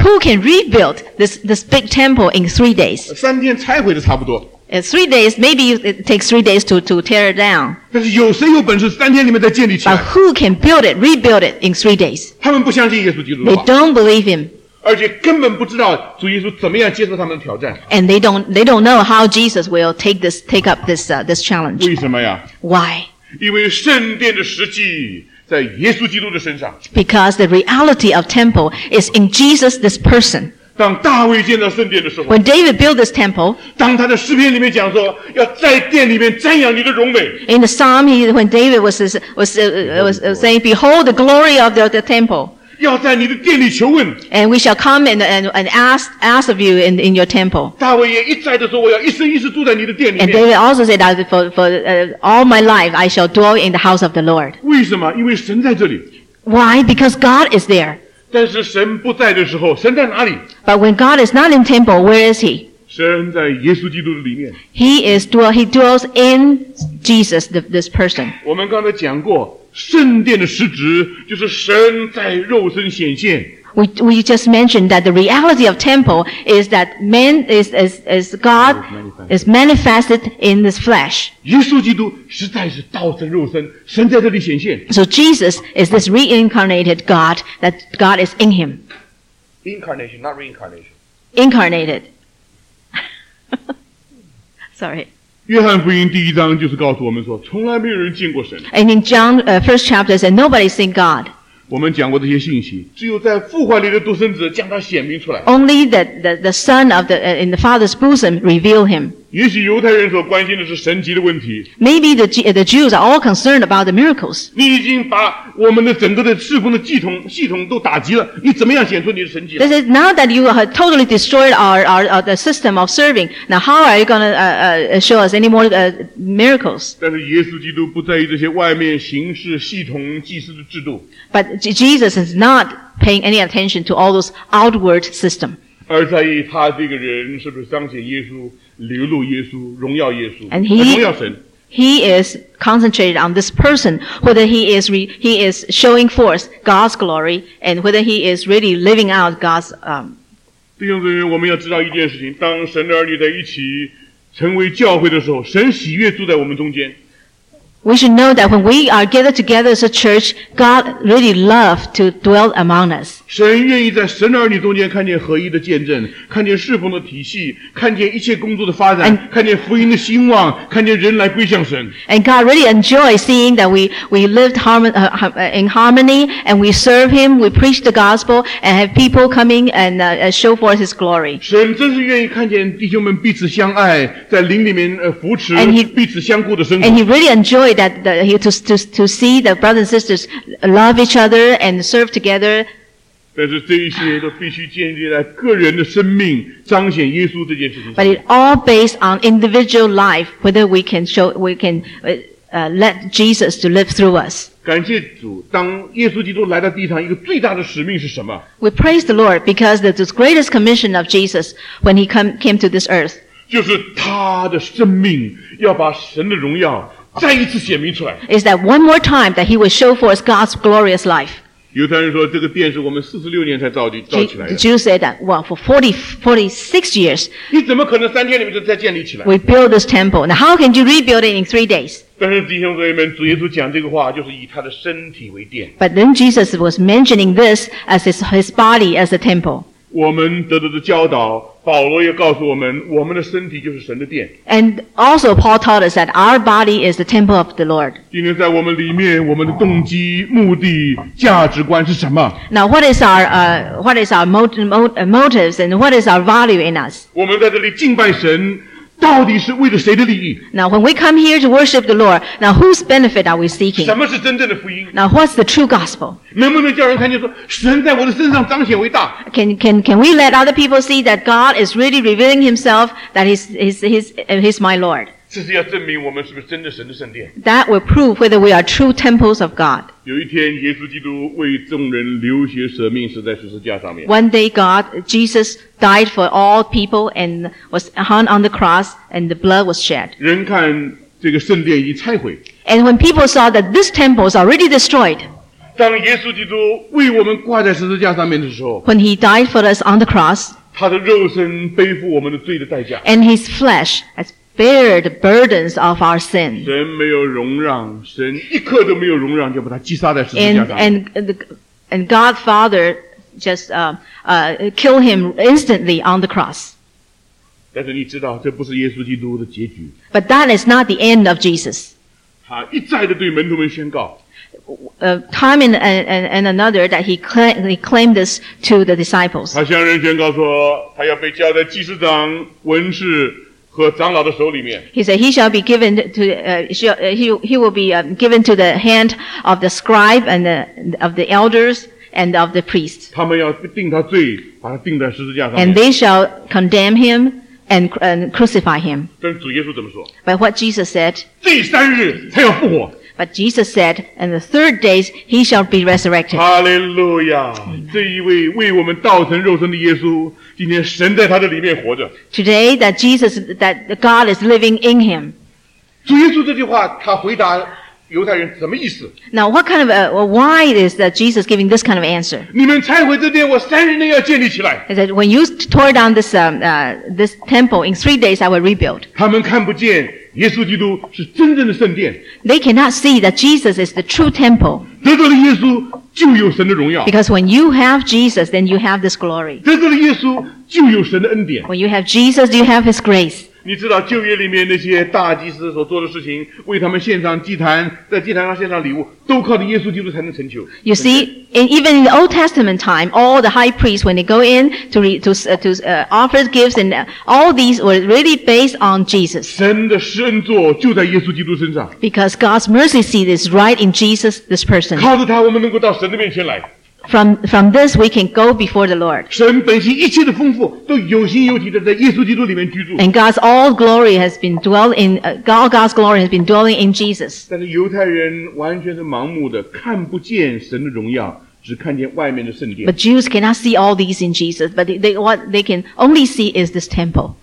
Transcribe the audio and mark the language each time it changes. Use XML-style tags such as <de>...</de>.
<en>Who can rebuild this big temple in 3 days?</en> <zh>三天拆毁的差不多。</zh> <en>3 days, maybe it takes 3 days to tear it down.</en> <zh>但是有谁有本事三天里面再建立起来？</zh> <en>But who can build it, rebuild it in 3 days?</en> <zh>他们不相信耶稣基督的话。</zh> <en>They don't believe him.</en> <zh>而且根本不知道主耶稣怎么样接受他们的挑战。</zh> <en>And they don't know how Jesus will take up this this challenge.</en> <zh>为什么呀？</zh> <en>Why?</en> <zh>因为圣殿的实际在耶稣基督的身上。</zh> <en>Because the reality of temple is in Jesus, this person.</en> <zh>当大卫建造圣殿的时候</zh> <en>When David built this temple,</en> <zh>当他的诗篇里面讲说要在殿里面瞻仰你的荣美</zh> <en>In the psalm, when David was saying Behold the glory of the temple</en> <zh>要在你的殿里求问</zh> <en>And we shall come and ask of you in your temple</en> <zh>大卫也一再的说我要一生一世住在你的殿里面</zh> <en>And David also said that for all my life I shall dwell in the house of the Lord</en> <zh>为什么因为神在这里</zh> <en>Why? Because God is there</en> <zh>但是神不在的时候神在哪里</zh> <en>But when God is not in temple, where is he?</en> <zh>神在耶稣基督的里面</zh> <en>He dwells in Jesus, this person.</en> <zh>我们刚才讲过圣殿的实质就是神在肉身显现</zh> <en>We just mentioned that the reality of temple is that man is God is manifested in this flesh.</en> <zh>耶稣基督实在是道成肉身神在这里显现</zh> <en>So Jesus is this reincarnated God that God is in him. Incarnation, not reincarnation. Incarnated. Sorry.</en> <zh>约翰福音第一章就是告诉我们说从来没有人见过神</zh> <en>And in John, first chapter said nobody's seen God</en> <zh>我们讲过这些信息只有在父怀里的独生子将他显明出来</zh> <en>Only the son of the, in the father's bosom reveal him</en> <zh>也许犹太人所关心的是神迹的问题</zh> <en>Maybe the Jews are all concerned about the miracles</en> <zh>你已经把我们的整个的侍奉的系统都打击了你怎么样显出你的神迹</zh> <en>They said now that you have totally destroyed our the system of serving now how are you going to show us any more miracles</en> <zh>但是耶稣基督不在意这些外面形式系统祭祀的制度</zh> <en>But Jesus is not paying any attention to all those outward system</en> <zh>而在意他这个人是不是彰显耶稣流露耶稣荣耀耶稣</zh> <en>And he,</en> <zh>荣耀神</zh> <en>He is concentrated on this person, whether he is showing forth God's glory, and whether he is really living out God's,</en> <zh>弟兄姊妹，我们要知道一件事情，当神的儿女在一起成为教会的时候，神喜悦住在我们中间。</zh> <en>We should know that when we are gathered together as a church, God really loves to dwell among us.</en> <zh>神愿意在神儿女中间看见合一的见证，看见侍奉的体系，看见一切工作的发展，看见福音的兴旺，看见人来归向神。</zh> <en>And God really enjoys seeing that we lived in harmony, and we serve Him, we preach the gospel, and have people coming and show forth His glory.</en> <zh>神真是愿意看见弟兄们彼此相爱，在灵里面扶持，彼此相顾的生活。</zh> <en>And He really enjoys that he to see the brothers and sisters love each other and serve together</en> <zh>但是这一些都必须建立在个人的生命彰显耶稣这件事情上</zh> <en>But it all based on individual life whether we can show we can let Jesus to live through us</en> <zh>感谢主当耶稣基督来到地上一个最大的使命是什么</zh> <en>We praise the Lord because the greatest commission of Jesus when he came to this earth</en> <zh>就是他的生命要把神的荣耀再一次显明出来</zh> <en>is that one more time that he will show forth God's glorious life</en> <zh>犹太人说这个殿是我们46年才造起来的。</zh> <en>The Jews said that, well, for 46 years.</en> <zh>你怎么可能三天里面就再建立起来？</zh> <en>We build this temple. Now how can you rebuild it in 3 days?</en> <zh>但是弟兄姊妹们，主耶稣讲这个话就是以他的身体为殿。</zh> <en>But then Jesus was mentioning this as his body as a temple.</en> <zh>我们得到的教导，保罗也告诉我们，我们的身体就是神的殿。</zh> <en>And also Paul taught us that our body is the temple of the Lord.</en> <zh>今天在我们里面，我们的动机、目的、价值观是什么？</zh> <en>Now what is our motives and what is our value in us?</en> <zh>我们在这里敬拜神，到底是为了谁的利益？</zh> <en>Now when we come here to worship the Lord, now whose benefit are we seeking?</en> <zh>什么是真正的福音？</zh> <en>Now what's the true gospel?</en> <zh>能不能叫人看见说神在我的身上彰显伟大？</zh> <en>Can we let other people see that God is really revealing himself, that he's my Lord?</en> <zh>这是要证明我们是不是真的神的圣殿。</zh> <en>That will prove whether we are true temples of God.</en> <zh>有一天耶稣基督为众人流血舍命死在十字架上面。</zh> <en>One day God, Jesus,died for all people and was hung on the cross and the blood was shed.</en> <zh>人看这个圣殿已拆毁。</zh> <en>And when people saw that this temple is already destroyed,</en> <zh>当耶稣基督为我们挂在十字架上面的时候，</zh> <en>when he died for us on the cross,</en> <zh>他的肉身背负我们的罪的代价，</zh> <en>and his flesh has bear the burdens of our sin.</en> <zh>神没有容让，神一刻都没有容让，就把他击杀在十字架上。</zh> <en>And God Father,just kill him instantly on the cross.</en> <zh>但是你知道这不是耶稣基督的结局。</zh> <en>But that is not the end of Jesus.</en> <zh>他一再地对门徒们宣告。</zh> <en>Time and another that he claimed this to the disciples.</en> <zh>他向人宣告说他要被交在祭司长、文士和长老的手里面。</zh> <en>He said he shall be given to he will be given to the hand of the scribe and of the eldersand of the priest.</en> <zh>他们要定他罪，把他定在十字架上。</zh> <en>And they shall condemn him and crucify him.</en> <zh>但主耶稣怎么说？</zh> <en>But what Jesus said,</en> <zh>第三日他要复活。</zh> <en>But Jesus said, in the third days, he shall be resurrected. Hallelujah!</en> <zh>这一位为我们道成肉身的耶稣，今天神在他的里面活着。</zh> <en>Today, that Jesus, that God is living in him.</en> <zh>主耶稣这句话，他回答犹太人什么意思？</zh> <en>Now what kind of why is that Jesus giving this kind of answer?</en> <zh>你们拆毁这殿，我三日内要建立起来。</zh> <en>He said, when you tore down this this temple, in 3 days I will rebuild.</en> <zh>他们看不见耶稣基督是真正的圣殿。</zh> <en>They cannot see that Jesus is the true temple.</en> <zh>得到了耶稣就有神的荣耀。</zh> <en>Because when you have Jesus, then you have this glory.</en> <zh>得到了耶稣就有神的恩典。</zh> <en>When you have Jesus, you have his grace.</en> <zh>你知道旧约里面那些大祭司所做的事情，为他们献上祭坛，在祭坛上献上礼物，都靠着耶稣基督才能成就。</zh> <en>You see, even in the Old Testament time, all the high priests when they go in to offer gifts and all these were really based on Jesus.</en> <zh>神的施恩座就在耶稣基督身上。</zh> <en>Because God's mercy seat is right in Jesus, this person.</en> <zh>靠着他，我们能够到神的面前来。</zh> <en>From this we can go before the Lord.</en> <zh>神本心一切的丰富都有形有体的在耶稣基督里面居住。</zh> <en>And God's all glory has been dwelling in God's glory has been dwelling in Jesus.</en> <zh>但是犹太人完全是盲目的，看不见神的荣耀，只看见外面的圣殿。</zh> <en>But Jews cannot see all these in Jesus, but what they can only see is this temple.</en>